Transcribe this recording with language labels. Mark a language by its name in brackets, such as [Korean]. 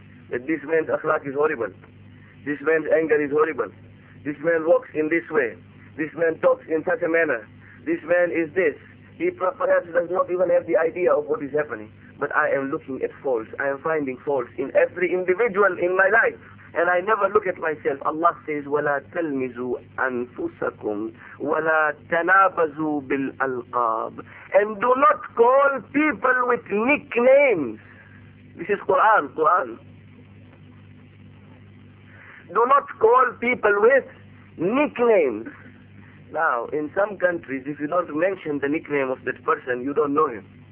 [English] That this man's akhlaq is horrible. This man's anger is horrible. This man walks in this way. This man talks in such a manner. This man is this. He perhaps does not even have the idea of what is happening. But I am looking at faults. I am finding faults in every individual in my life. And I never look at myself. Allah says, [Arabic] وَلَا تَلْمِزُوا أَنفُسَكُمْ وَلَا تَنَابَزُوا بِالْأَلْقَابِ. [English] And do not call people with nicknames. This is Quran. Do not call people with nicknames. Now, in some countries, if you don't mention the nickname of that person, you don't know him.